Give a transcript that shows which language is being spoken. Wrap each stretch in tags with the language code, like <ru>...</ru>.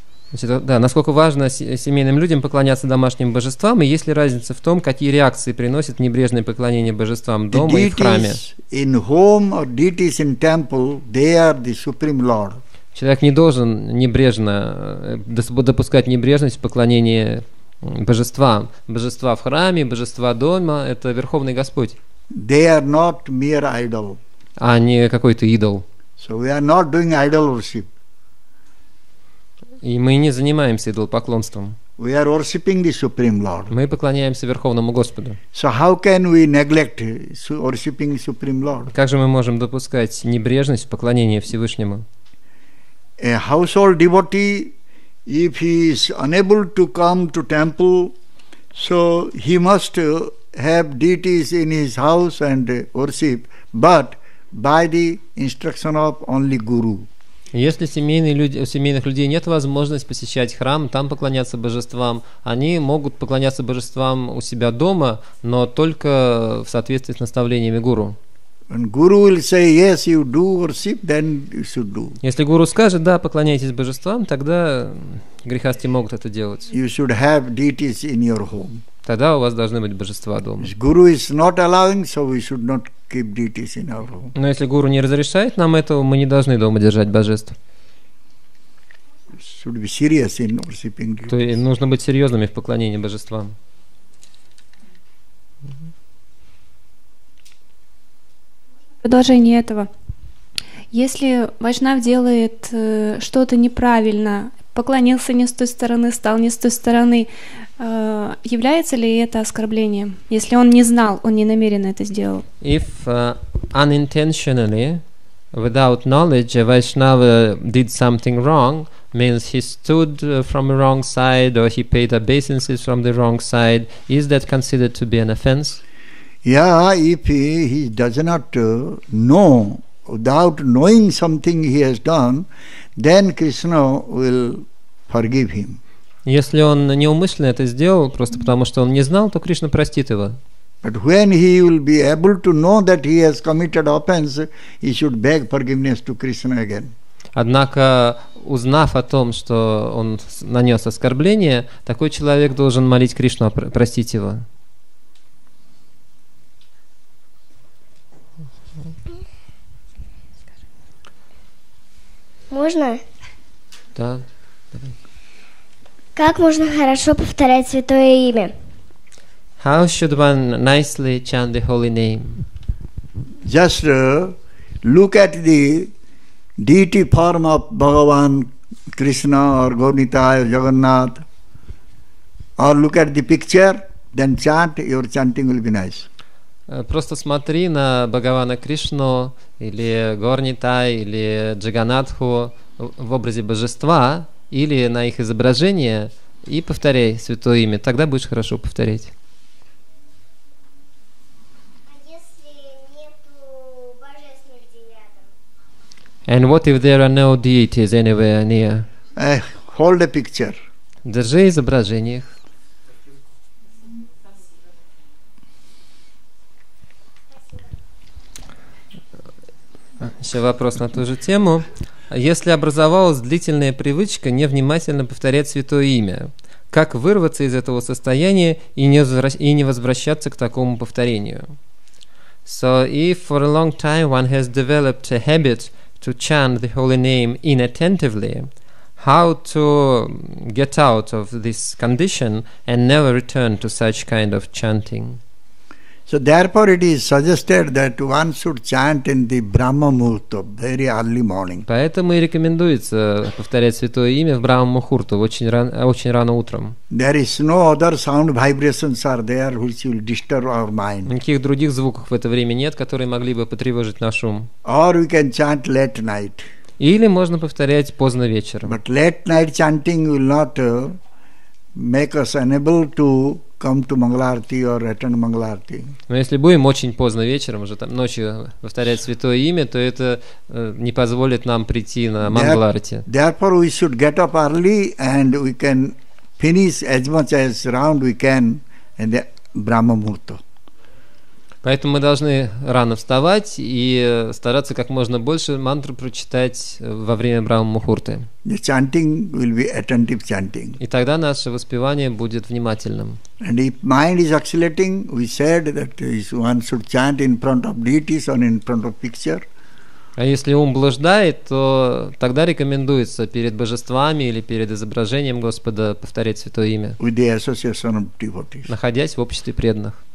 <ru>Значит, да, насколько важно семейным людям поклоняться домашним божествам, и есть ли разница в том, какие реакции приносит небрежное поклонение божествам дома и в храме?</ru> <en>In home or deities in temple, they are the supreme lord.</en> <ru>Человек не должен небрежно допускать небрежность в поклонении божествам. Божества в храме, божества дома – это Верховный Господь.</ru> <en>They are not mere idol.</en> <ru>А не какой-то идол.</ru> <en>So we are not doing idol worship.</en> <ru>И мы не занимаемся идолопоклонством.</ru> <en>We are worshiping the Supreme Lord.</en> <ru>Мы поклоняемся Верховному Господу.</ru> <en>So how can we neglect worshiping the Supreme Lord?</en> <ru>Как же мы можем допускать небрежность в поклонении Всевышнему?</ru> <en>A household devotee, if he is unable to come to temple, so he must have deities in his house and worship, but by the instruction of only guru.</en> <ru>Если у семейных людей нет возможности посещать храм, там поклоняться божествам, они могут поклоняться божествам у себя дома, но только в соответствии с наставлениями гуру.</ru> <en>When guru will say yes, you do worship, then you should do.</en> <ru>Если гуру скажет да, поклоняйтесь божествам, тогда грехасти могут это делать.</ru> <en>You should have deities in your home.</en> <ru>Тогда у вас должны быть божества дома.</ru> <en>If guru is not allowing, so we should not keep deities in our home.</en> <ru>Но если гуру не разрешает нам этого, мы не должны дома держать божеств.</ru> <en>Should be serious in worshiping deities.</en> <ru>То есть нужно быть серьезными в поклонении божествам. Продолжение этого. Если вайшнав делает что-то неправильно, поклонился не с той стороны, стал не с той стороны, является ли это оскорблением? Если он не знал, он не намеренно это сделал.</ru> <en>If unintentionally, without knowledge, a Vaishnava did something wrong, means he stood from the wrong side or he paid obeisances from the wrong side, is that considered to be an offense? Yeah, if he does not know, without knowing something he has done, then Krishna will forgive him.</en> <ru>Если он неумышленно это сделал, просто потому что он не знал, то Кришна простит его.</ru> <en>But when he will be able to know that he has committed offense, he should beg forgiveness to Krishna again.</en> <ru>Однако, узнав о том, что он нанес оскорбление, такой человек должен молить Кришну простить его. Можно? Да, давай. Как можно хорошо повторять святое имя?</ru> <en>How should one nicely chant the holy name? Just look at the deity form of Bhagavan Krishna or Gaurinitya or Jagannath, or look at the picture, then chant, your chanting will be nice.</en> <ru>Просто смотри на Бхагавана Кришну или Горнитай или Джаганатху в образе божества или на их изображение и повторяй святое имя. Тогда будешь хорошо повторять. А если нету божественных деятелей?</ru> <en>And what if there are no deities anywhere near? Hold a picture.</en> <ru>Держи изображение их. Еще вопрос на ту же тему. Если образовалась длительная привычка невнимательно повторять святое имя, как вырваться из этого состояния и не возвращаться к такому повторению?</ru> <en>So if for a long time one has developed a habit to chant the holy name inattentively, how to get out of this condition and never return to such kind of chanting? So therefore it is suggested that one should chant in the Brahma Muhurta very early morning.</en> <ru>Поэтому и рекомендуется повторять святое имя в Брахма Мухурту очень рано утром.</ru> <en>There is no other sound vibrations are there which will disturb our mind.</en> <ru>Никаких других звуков в это время нет, которые могли бы потревожить наш ум.</ru> <en>Or we can chant late night.</en> <ru>Или можно повторять поздно вечером.</ru> <en>But late night chanting will not make us unable to come to Mangalarti or attend Mangalarti.</en> <ru>Но если будем очень поздно вечером, уже там ночью повторять святое имя, то это не позволит нам прийти на Мангаларти.</ru> <en>Therefore, we should get up early and we can finish as much as round we can in the Brahma Muhurta.</en> <ru>Поэтому мы должны рано вставать и стараться как можно больше мантру прочитать во время Брахма-мухурты.</ru> <en>The chanting will be attentive chanting.</en> <ru>И тогда наше воспевание будет внимательным.</ru> <en>And if mind is oscillating, we said that one should chant in front of deities or in front of picture.</en> <ru>А если ум блуждает, то тогда рекомендуется перед божествами или перед изображением Господа повторять святое имя.</ru> <en>With the association of devotees.</en> <ru>Находясь в обществе преданных.</ru>